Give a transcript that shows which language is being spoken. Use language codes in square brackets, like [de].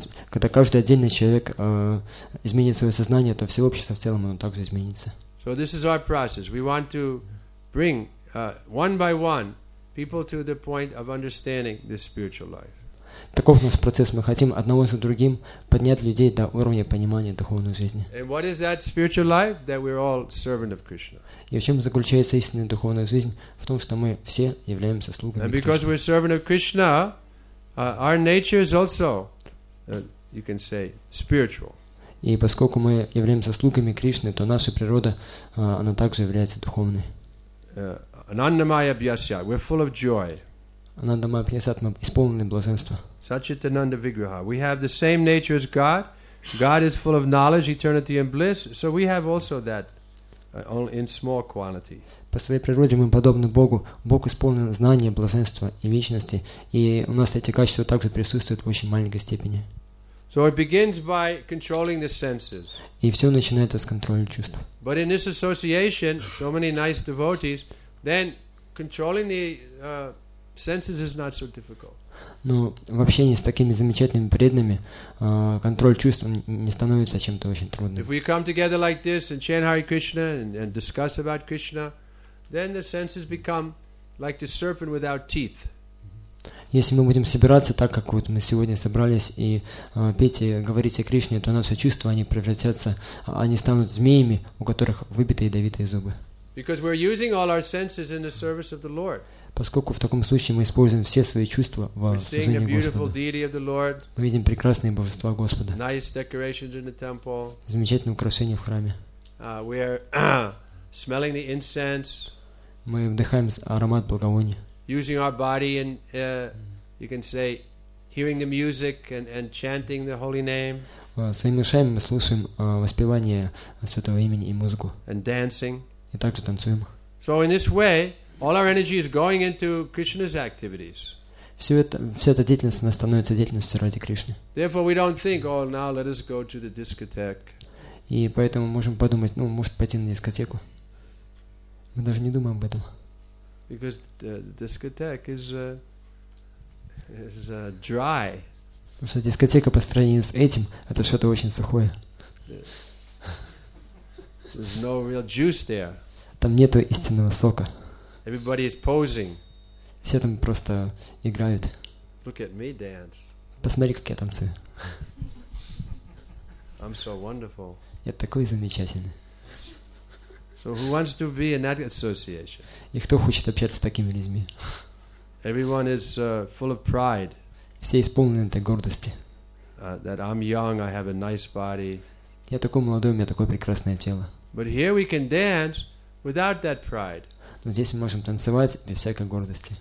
[ru] Когда каждый отдельный человек изменит свое сознание, то все общество в целом оно также изменится. [en] So this is our process. We want to bring one by one people to the point of understanding this spiritual life. [ru] Таков наш процесс. Мы хотим одного за другим поднять людей до уровня понимания духовной жизни. [en] And what is that spiritual life? That we're all servant of Krishna. [ru] И в чем заключается истинная духовная жизнь? В том, что мы все являемся слугами Кришны. [en] And because we're servant of Krishna, our nature is also, you can say, spiritual. [ru] И поскольку мы являемся слугами Кришны, то наша природа, она также является духовной. [sa] Анандамая бьясья, [en] we're full of joy. [sa] Анандамая бьясья, [ru] мы исполнены блаженства. [sa] Сачитананда виграха, [en] we have the same nature as God. God is full of knowledge, eternity and bliss. So we have also that in small quantity. [ru] По своей природе мы подобны Богу. Бог исполнен знания, блаженства и вечности. И у нас эти качества также присутствуют в очень маленькой степени. [en] So it begins by controlling the senses. [ru] И все начинается с контроля чувств. [en] But in this association, so many nice devotees, then controlling the senses is not so difficult. [ru] Но в общении с такими замечательными преданными контроль чувств не становится чем-то очень трудным. [en] If we come together like this and chant Hare Krishna and discuss about Krishna, then the senses become like the serpent without teeth. [ru] Если мы будем собираться так, как вот мы сегодня собрались, и петь и говорить о Кришне, то наши чувства, они превратятся, они станут змеями, у которых выбиты ядовитые зубы. [en] Because we're using all our senses in the service of the Lord. [ru] Поскольку в таком случае мы используем все свои чувства во служении Господу. Мы видим прекрасные божества Господа. [en] Nice decorations in the temple. [ru] Замечательные украшения в храме. [en] We are smelling the incense. [ru] Мы вдыхаем аромат благовония. [en] Using our body and you can say hearing the music and chanting the holy name. [ru] Своими ушами мы слушаем воспевание святого имени и музыку. [en] And dancing. [ru] И также танцуем. [en] So in this way, all our energy is going into Krishna's activities. [ru] Вся эта деятельность она становится деятельностью ради Кришны. [en] Therefore, we don't think, oh, now let us go to the discotheque. [ru] И поэтому можем подумать, ну, может пойти на дискотеку. Мы даже не думаем об этом. [en] Because the discotheque is dry. [ru] Потому что дискотека по сравнению с этим это что-то очень сухое. [en] There's no real juice there. [ru] Там нету истинного сока. [en] Everybody is posing. [ru] Все там просто играют. [en] Look at me dance. [ru] Посмотри, как я танцую. [en] I'm so wonderful. [ru] Я такой замечательный. [en] So who wants to be in that association? [ru] И кто хочет общаться с такими людьми? [en] Everyone is full of pride. [ru] Все исполнены этой гордости. [en] That I'm young, I have a nice body. [ru] Я такой молодой, у меня такое прекрасное тело. [en] But here we can dance without that pride. [ru] Но здесь мы можем танцевать без всякой гордости.